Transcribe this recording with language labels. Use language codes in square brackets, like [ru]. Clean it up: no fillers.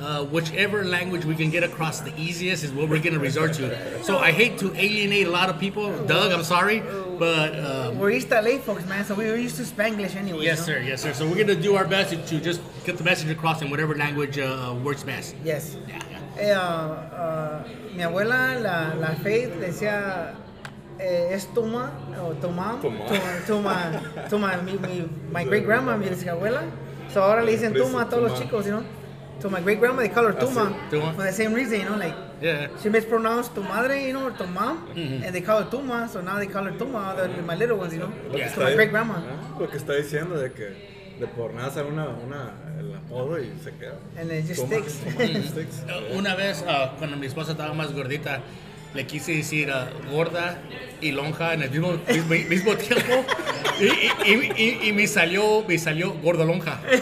[en] Whichever language we can get across the easiest is what we're going to resort to. So I hate to alienate a lot of people. Doug, I'm sorry, but... we're East LA folks, man, so we're used to Spanglish anyway. Yes, sir. So we're going to do our best to just get the message across in whatever language works best. Yes. Yeah. [es] Mi abuela, la Faith, decía, es Tuma, o Tuma, Tuma, [en] my great grandma, [es] mi abuela, so ahora le dicen Tuma a todos los chicos, [en] you know, to my great grandma, they call her Tuma, for the same reason, you know, like, yeah. She mispronounced [es] tu madre, [en] you know, or tu mom, and they call her Tuma, so now they call her Tuma, my little ones, you know, to my great grandma. [es] Lo que está diciendo de que... De por nada sale una el apodo y se queda. [en] And it just sticks. [es] Una vez, cuando mi esposa estaba más gordita, le quise decir gorda y lonja en el mismo tiempo. Y me salió gordo lonja.